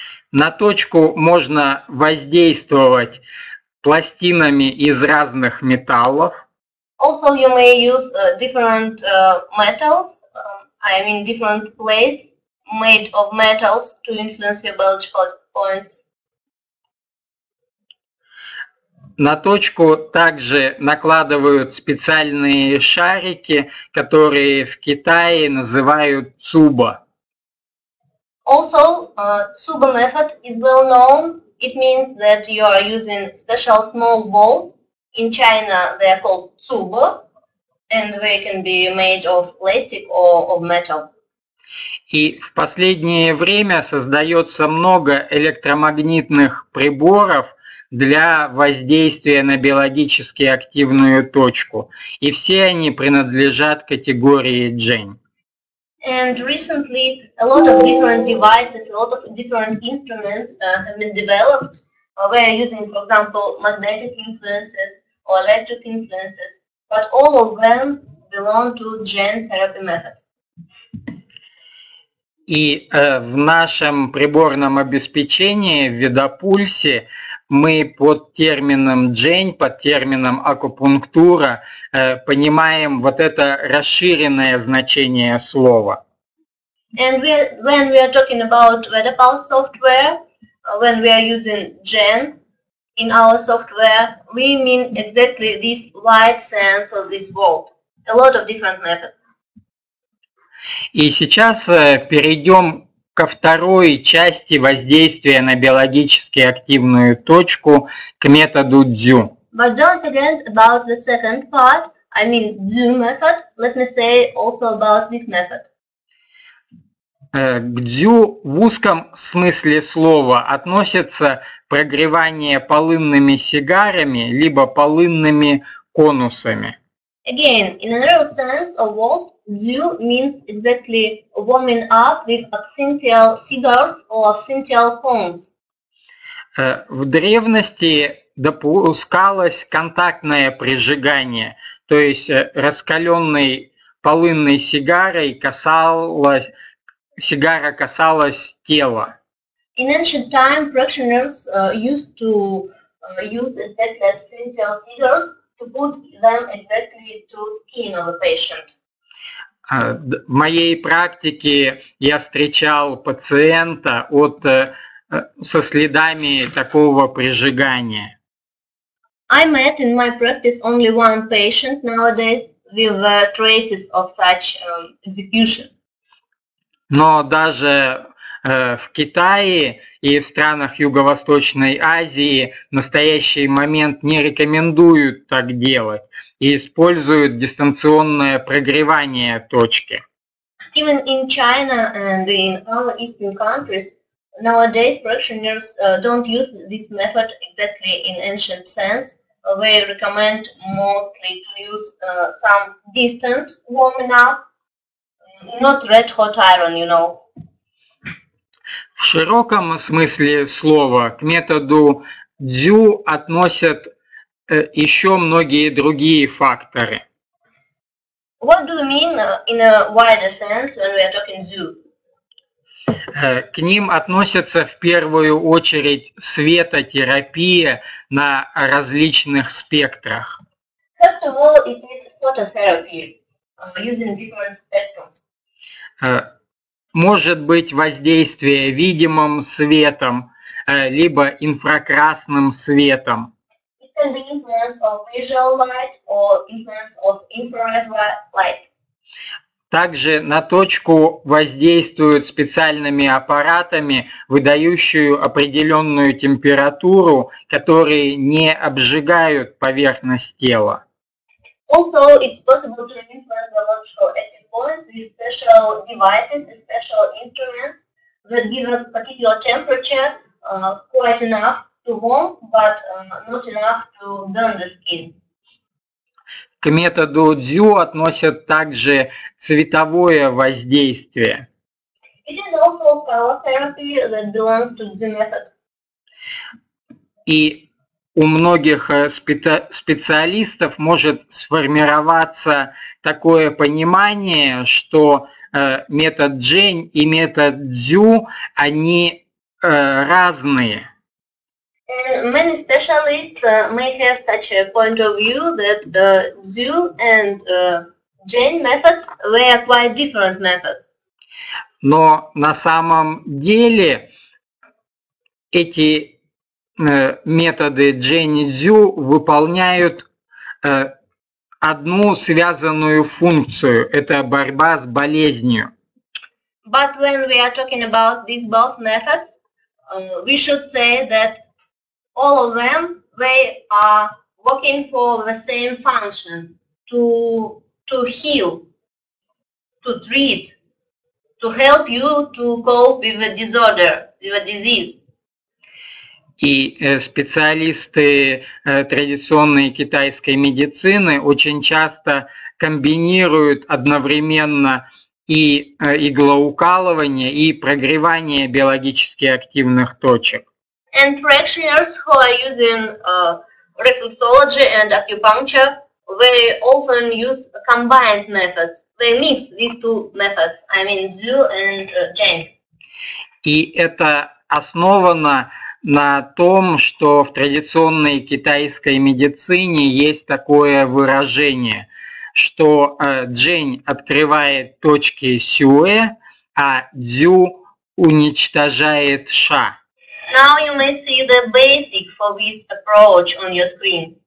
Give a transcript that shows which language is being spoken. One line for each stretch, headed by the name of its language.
Russian: На точку можно воздействовать пластинами из разных металлов.
English: Also, you may use different metals. I mean, different plates made of metals to influence your biological points.
Russian: На точку также накладывают специальные шарики, которые в Китае называют цуба.
English: Also, tsuba method is well known. It means that you are using special small balls. In China, they are called tsuba, and they can be made of plastic or of metal.
Russian: И в последнее время создается много электромагнитных приборов для воздействия на биологически активную точку, и все они принадлежат категории Jane.
English: And recently, a lot of different devices, a lot of different instruments have been developed. We are using, for example, magnetic influences or electric influences, but all of them belong to Jane therapy method.
Russian: И в нашем приборном обеспечении, в Видопульсе, мы под термином Jane, под термином акупунктура, понимаем вот это расширенное значение слова.
English: And we, when we are talking about Vedapulse software, when we are using Jane in our software, we mean exactly this wide sense of this world, a lot of different methods.
Russian: И сейчас перейдем ко второй части воздействия на биологически активную точку, к методу Дзю.
English: But don't forget about the second part, I mean Дзю method. Let me say also about this method.
Russian: К Дзю в узком смысле слова относится прогревание полынными сигарами, либо полынными конусами.
English: Again, in a narrow sense of what Dew means exactly warming up with absinthial cigars or absinthial cones.
Russian: В древности допускалось контактное прижигание, то есть раскаленной полынной сигарой касалась тела.
English: In ancient time, practitioners used to use exactly absinthial cigars to put them exactly to skin of a patient.
Russian: В моей практике я встречал пациента со следами такого прижигания.
English: I met in my practice only one patient nowadays with traces of such execution.
Russian: Но даже в Китае и в странах Юго-Восточной Азии в настоящий момент не рекомендуют так делать и используют дистанционное прогревание точки.
English: Even in China and in our eastern countries, nowadays practitioners don't use this method exactly in ancient sense. They recommend mostly to use some distant warming up, not red hot iron, you know.
Russian: В широком смысле слова к методу Дзю относят еще многие другие факторы.
English: What do you mean in a wider sense when we are talking zoo?
Russian: К ним относятся в первую очередь светотерапия на различных спектрах.
English: First of all, it is phototherapy, using different spectrums.
Russian: Может быть воздействие видимым светом, либо инфракрасным светом.
English: It can be influence of visual light or influence of infrared light.
Russian: Также на точку воздействуют специальными аппаратами, выдающие определенную температуру, которые не обжигают поверхность тела.
English: Also, it's possible to implant biological active points with special devices, special instruments that give us particular temperature, quite enough to warm, but not enough to burn the skin.
Russian: К методу дзю относят также цветовое воздействие.
English: It is also color therapy that belongs to the method.
Russian: И у многих специалистов может сформироваться такое понимание, что метод Джень и метод дзю, они разные.
English: And many specialists may have such a point of view that Zhu and Jane methods were quite different methods.
Russian: Но на самом деле эти методы Джейн и Дзю выполняют одну связанную функцию – это борьба с болезнью.
English: But when we are talking about these both methods, we should say that all of them, they are working for the same function – to heal, to treat, to help you to cope with the disorder, with the disease.
Russian: И специалисты традиционной китайской медицины очень часто комбинируют одновременно и иглоукалывание, и прогревание биологически активных точек.
English: And practitioners who are using reflexology and acupuncture, they often use combined methods. They mix these two methods, I mean Zhu and Zheng.
Russian: И это основано на том, что в традиционной китайской медицине есть такое выражение, что джень открывает точки сюэ, а дзю уничтожает ша.
English: Now you may see the basic for this approach on your screen.